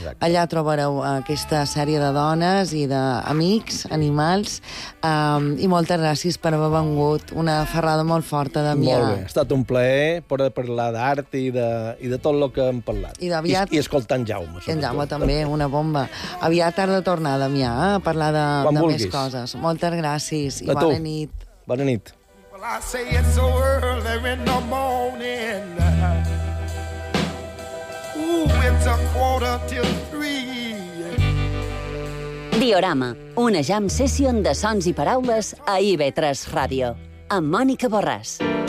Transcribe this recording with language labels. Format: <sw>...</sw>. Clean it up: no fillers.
<ca>Allà trobareu aquesta sèrie de dones i d'amics, animals, i moltes gràcies per haver vengut. Una ferrada molt forta, Damià. Molt bé, ha estat un plaer per parlar d'art i de tot el que hem parlat. I escoltar en Jaume. Sobretot. En Jaume també, una bomba. Aviat ha de tornar, Damià, a parlar de més coses. Moltes gràcies i bona nit. Bona nit.</ca> <en>I say it's so early in the morning. Ooh, it's a quarter till three.</en> <ca>Diorama, una jam session de sons i paraules a IB3 Ràdio, amb Mònica Borràs.</ca>